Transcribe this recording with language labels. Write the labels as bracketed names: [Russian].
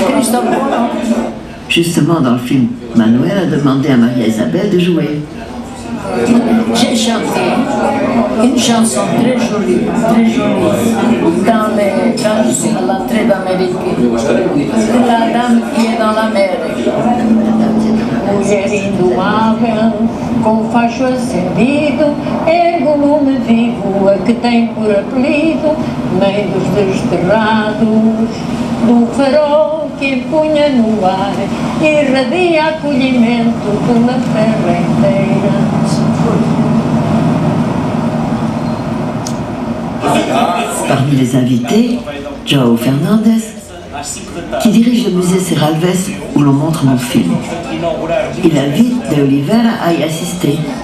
[French] Christophe Colombo. Justement, dans le film, Manuel a demandé à Maria Isabel de jouer. J'ai chanté une chanson très jolie, quand je suis à l'entrée d'Amérique. La dame qui est dans la mer. [Portuguese] Mulher indomável, com facho acendido, ergo o nome vivo a que tem por apelido, meio dos desterrados, do farol que empunha no ar, irradia acolhimento de uma terra inteira. [French] Parmi les invités, João Fernandes, qui dirige le musée Serralves où l'on montre mon film. Il invite de Oliveira à y assister.